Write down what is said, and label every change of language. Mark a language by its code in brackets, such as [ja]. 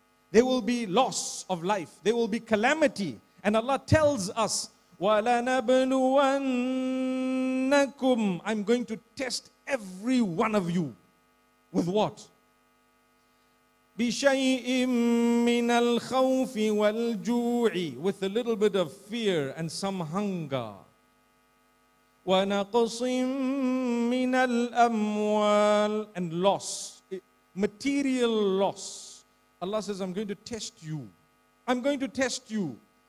[en] There will be loss of life. There will be calamity. And Allah tells us, [ar] وَلَنَبْلُوَنَّكُمْ [en] I'm going to test every one of you. With what? [ar] بِشَيْءٍ مِّنَ الْخَوْفِ وَالْجُوعِ [en] With a little bit of fear and some hunger. [ar] وَنَقْصٍ مِّنَ الْأَمْوَالِ [en] And loss. Material loss. Allah says, I'm going to test you. I'm going to test you.